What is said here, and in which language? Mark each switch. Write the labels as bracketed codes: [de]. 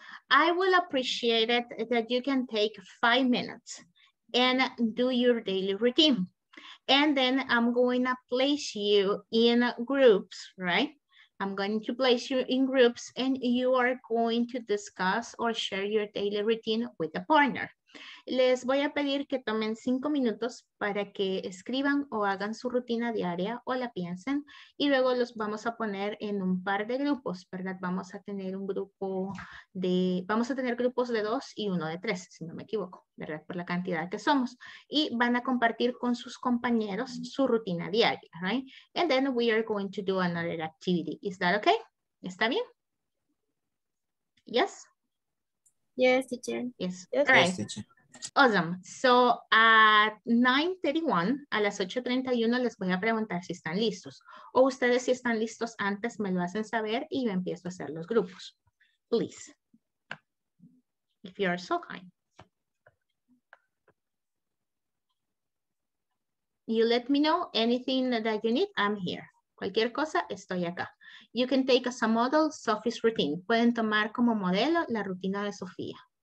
[en] I will appreciate it that you can take 5 minutes and do your daily routine. And then I'm going to place you in groups, right? I'm going to place you in groups and you are going to discuss or share your daily routine with a partner. [es] Les voy a pedir que tomen 5 minutos para que escriban o hagan su rutina diaria o la piensen y luego los vamos a poner en un par de grupos, ¿verdad? Vamos a tener grupos de 2 y 1 de 3, si no me equivoco, ¿verdad? Por la cantidad que somos. Y van a compartir con sus compañeros su rutina diaria, right? [en] And then we are going to do another activity. Is that okay? [es] ¿Está bien? [en] Yes. Yes, teacher. Yes. Yes. All right. Yes, teacher. Awesome. So at 9:31, [es] a las 8:31, les voy a preguntar si están listos. O ustedes, si están listos antes, me lo hacen saber y yo empiezo a hacer los grupos. [en] Please. If you are so kind. You let me know anything that you need, I'm here. [es] Cualquier cosa, estoy acá. [en] You can take as a model Sophie's routine. [es] Pueden tomar como modelo la rutina de Sofía.